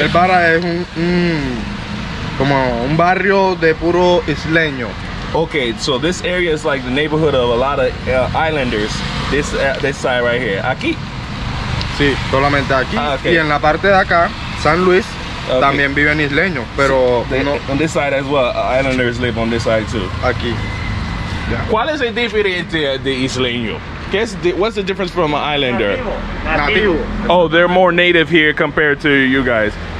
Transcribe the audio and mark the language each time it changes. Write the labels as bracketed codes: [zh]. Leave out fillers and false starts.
[es] El barak es un, como un barrio de puro isleño. [en] Okay, so this area is like the neighborhood of a lot of islanders. This side right here. [es] Aquí. Sí, solamente aquí. Ah, okay. Y en la parte de acá, San Luis, okay, también viven isleños, pero [en] so on this side as well, islanders live on this side too. [es] Aquí. [en] Yeah. [es] ¿Cuál es el diferente de isleño? [en] What's the difference from an islander? [es] Nativo. [en] Oh, they're more native here compared to you guys.